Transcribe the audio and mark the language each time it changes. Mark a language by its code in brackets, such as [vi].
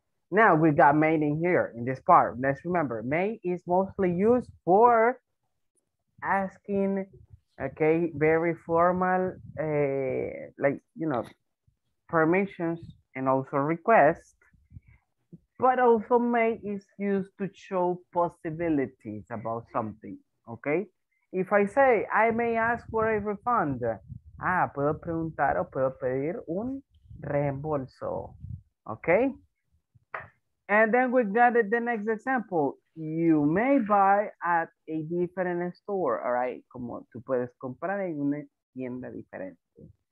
[en] Now we got main in here in this part. Let's remember, main is mostly used for asking, okay, very formal, like, you know, permissions and also requests. But also may is used to show possibilities about something, okay? If I say, I may ask for a refund. [es] Puedo preguntar o puedo pedir un reembolso, okay? [en] And then we got the next example. You may buy at a different store, all right? [es] Como tú puedes comprar en una tienda diferente.